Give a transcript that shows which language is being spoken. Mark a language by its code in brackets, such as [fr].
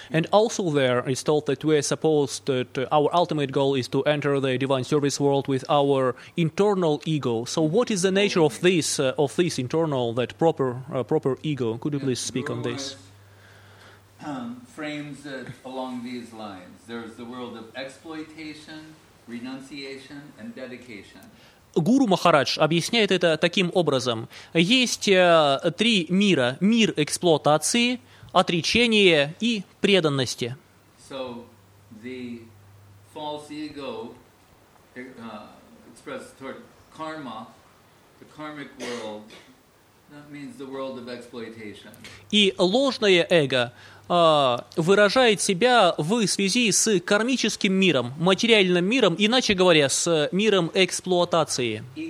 [en] And also there is told that we are supposed that our ultimate goal is to enter the divine service world with our internal ego. So what is the nature of this internal, that proper ego? Could you please speak on this? Frames it along these lines. There's the world of exploitation, renunciation and dedication. [ru] Гуру Махарадж объясняет это таким образом. Есть три мира: мир эксплуатации, отречения и преданности. [en] So the false ego expressed toward karma, the karmic world, that means the world of exploitation. [ru] И ложное эго выражает себя в связи с кармическим миром, материальным миром, иначе говоря, с миром эксплуатации.